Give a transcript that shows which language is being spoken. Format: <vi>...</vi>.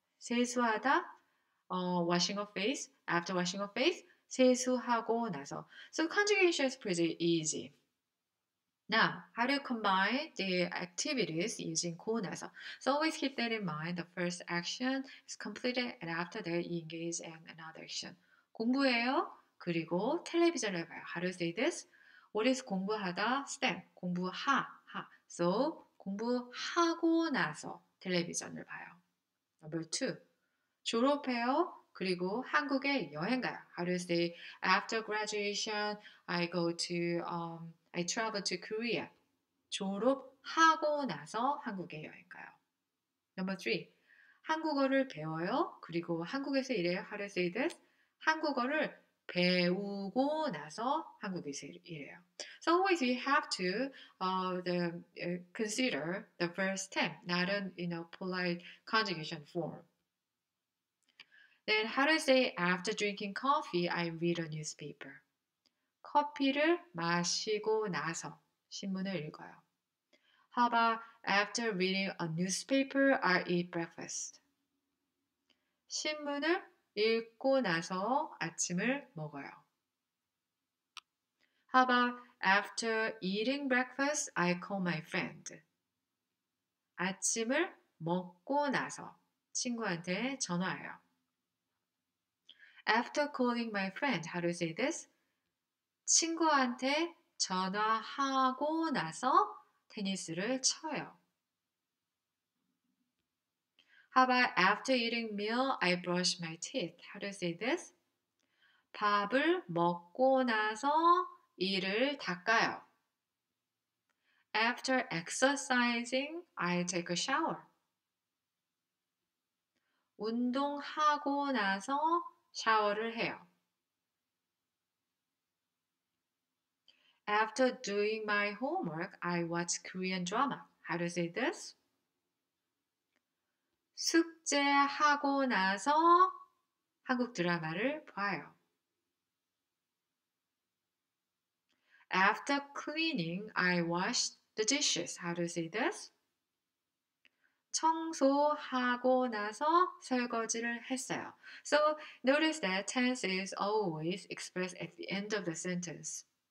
<en>세수하다, washing of face. After washing of face,</en> <ko>세수하고 나서.</ko> <en>So conjugation is pretty easy. Now, how to combine the activities using 고 나서? So always keep that in mind. The first action is completed and after that, you engage in another action.</en> <ko>공부해요, 그리고 텔레비전을 봐요.</ko> <en>How to say this? What is 공부하다? Stem. 공부하, 하.</en> <ko>So, 공부하고 나서 텔레비전을 봐요.</ko> <en>Number two,</en> <ko>졸업해요. 그리고 한국에 여행 가요.</ko> <en>How do you say, after graduation, I go to, I travel to Korea.</en> <ko>졸업하고 나서 한국에 여행 가요.</ko> <en>Number three,</en> <ko>한국어를 배워요. 그리고 한국에서 일해요.</ko> <en>How do you say this?</en> <ko>한국어를 배우고 나서 한국에서 일해요.</ko> <en>So always you have to consider the first tense, not in a polite conjugation form. Then how to say after drinking coffee, I read a newspaper.</en> <ko>커피를 마시고 나서 신문을 읽어요.</ko> <en>How about after reading a newspaper, I eat breakfast.</en> <ko>신문을 읽고 나서 아침을 먹어요.</ko> <en>How about after eating breakfast, I call my friend.</en> <ko>아침을 먹고 나서 친구한테 전화해요.</ko> <en>After calling my friend, how do you say this?</en> <ko>친구한테 전화하고 나서 테니스를 쳐요.</ko> <en>How about after eating meal, I brush my teeth? How do you say this?</en> <ko>밥을 먹고 나서 이를 닦아요.</ko> <en>After exercising, I take a shower.</en> <ko>운동하고 나서 샤워를 해요.</ko> <en>After doing my homework, I watch Korean drama. How do you say this?</en> <ko>숙제하고 나서 한국 드라마를 봐요.</ko> <en>After cleaning, I wash the dishes. How do you say this?</en> <ko>청소하고 나서 설거지를 했어요.</ko> <en>So notice that tense is always expressed at the end of the sentence.</en>